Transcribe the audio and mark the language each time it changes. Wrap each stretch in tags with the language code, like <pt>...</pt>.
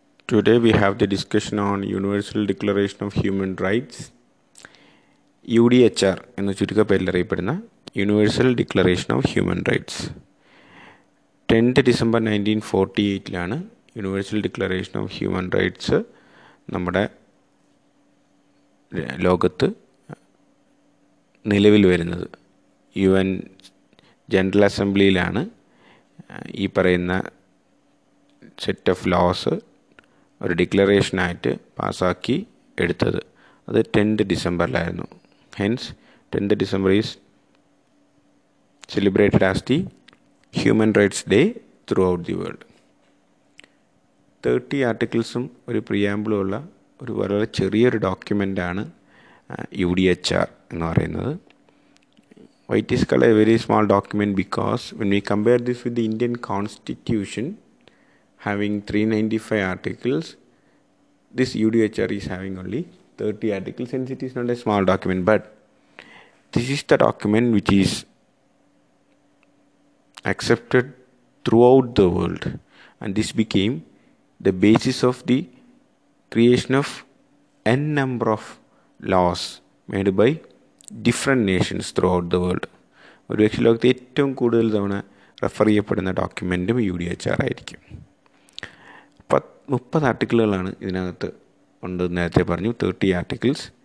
<en>Today we have the discussion on Universal Declaration of Human Rights.</en> <ml>UDHR എന്ന ചുരുക്ക പേരിലറിയപ്പെടുന്ന universal declaration of human rights. 10th December 1948 universal declaration of human rights നമ്മുടെ ലോകത്ത് നിലവിൽ വരുന്നത്. U N general അസംബ്ലിയിലാണ് ഈ പറയുന്ന set of loss ഒരു ഡിക്ലറേഷനായിട്ട് പാസ്സാക്കി എടുത്തത്.</ml> <en>അത് 10th December hence 10th December is celebrated as the human rights day throughout the world.</en> <ml>30 articles ഒരു പ്രിയാമ്പിളും ഉള്ള ഒരു വളരെ ചെറിയൊരു ഡോക്യുമെൻ്റാണ് UDHR എന്ന് പറയുന്നത്.</ml> <en>Why it is called a very small document because when we compare this with the Indian constitution having 395 articles, this UDHR is having only 30 articles. Hence it is not a small document, but this is the document which is accepted throughout the world, and this became the basis of the creation of n number of laws made by different nations throughout the world.</en> <ml>ഒരു പക്ഷേ ലോകത്ത് ഏറ്റവും കൂടുതൽ തവണ refer ചെയ്യപ്പെടുന്ന ഡോക്യുമെൻറ്റും UDHR ആയിരിക്കും. 30 articles ഇതിനകത്ത് ഉണ്ട്. നേരത്തെ പറഞ്ഞു 30 articles.</ml>